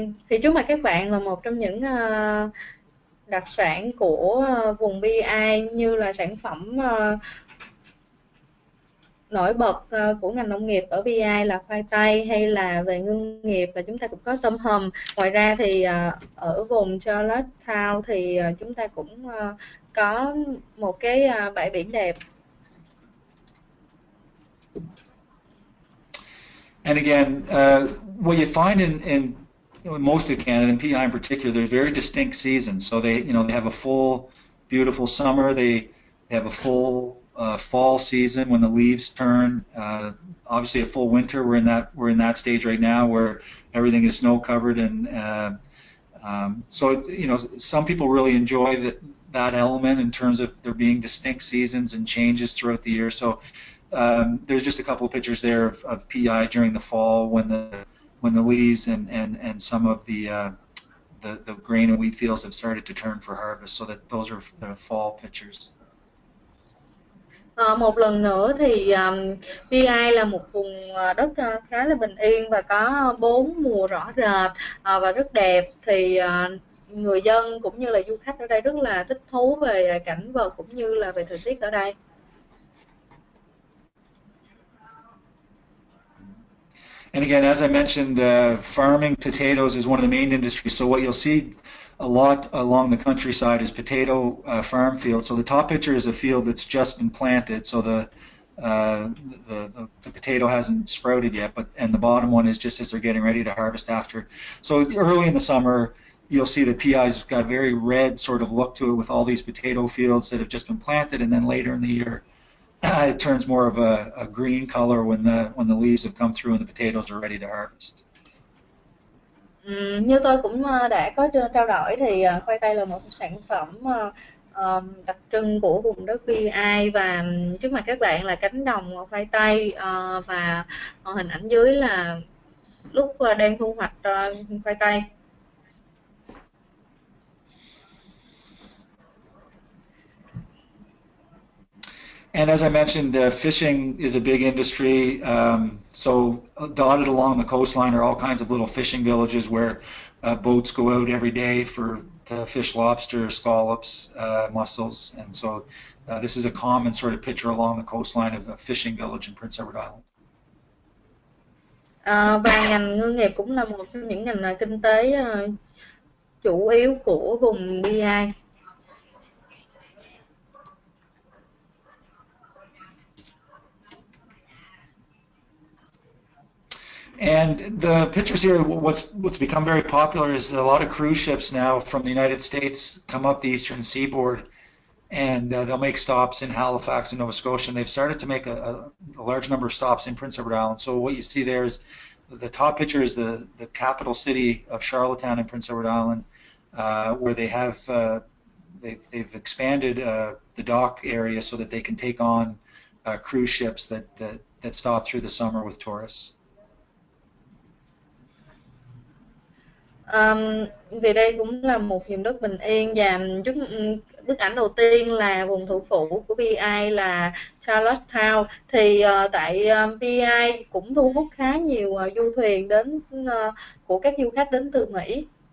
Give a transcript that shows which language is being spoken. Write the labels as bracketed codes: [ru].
[vi] Thì trước mặt các bạn là một trong những đặc sản của vùng PEI như là sản phẩm nổi bật của ngành nông nghiệp ở PEI là khoai tây hay là về ngư nghiệp và chúng ta cũng có tôm hùm. Ngoài ra thì ở vùng Charlottetown thì chúng ta cũng có một cái bãi biển đẹp. [en] And again, what you find in most of Canada, and PEI in particular, there's very distinct seasons. So they, you know, they have a full beautiful summer, they have a full fall season when the leaves turn, obviously a full winter, we're in that stage right now where everything is snow covered, and so it, you know, some people really enjoy that element in terms of there being distinct seasons and changes throughout the year. So there's just a couple of pictures there of PEI during the fall when the leaves and some of the grain and wheat fields have started to turn for harvest. So that those are the fall pictures. [vi] Một lần nữa thì PEI là một vùng đất khá là bình yên và có bốn mùa rõ rệt và rất đẹp. Thì người dân cũng như là du khách ở đây rất là thích thú về cảnh vật cũng như là về thời tiết ở đây. [en] And again, as I mentioned, farming potatoes is one of the main industries. So what you'll see a lot along the countryside is potato farm fields. So the top picture is a field that's just been planted. So the potato hasn't sprouted yet, and the bottom one is just as they're getting ready to harvest after. So early in the summer, you'll see the PEI's got a very red sort of look to it with all these potato fields that have just been planted. And then later in the year, it turns more of a green color when the leaves have come through and the potatoes are ready to harvest. [vi] Như tôi cũng đã có trao đổi thì khoai tây là một sản phẩm đặc trưng của vùng đất PEI và trước mặt các bạn là cánh đồng khoai tây và hình ảnh dưới là lúc đang thu hoạch khoai tây. [en] And as I mentioned, fishing is a big industry. So dotted along the coastline are all kinds of little fishing villages where boats go out every day to fish lobster, scallops, mussels. And so this is a common sort of picture along the coastline of a fishing village in Prince Edward Island. [vi] Và ngành ngư nghiệp cũng là một trong những ngành kinh tế chủ yếu của vùng PEI. [en] And the pictures here, what's become very popular is a lot of cruise ships now from the United States come up the eastern seaboard And they'll make stops in Halifax and Nova Scotia. And they've started to make a large number of stops in Prince Edward Island. So what you see there is the top picture is the capital city of Charlottetown in Prince Edward Island, where they have they've expanded the dock area so that they can take on cruise ships that stop through the summer with tourists. [vi] Vì đây cũng là một hiểm đất bình yên, và bức ảnh đầu tiên là vùng thủ phủ của PEI là Charlottetown. Thì tại PEI cũng thu hút khá nhiều du thuyền đến của các du khách đến từ Mỹ.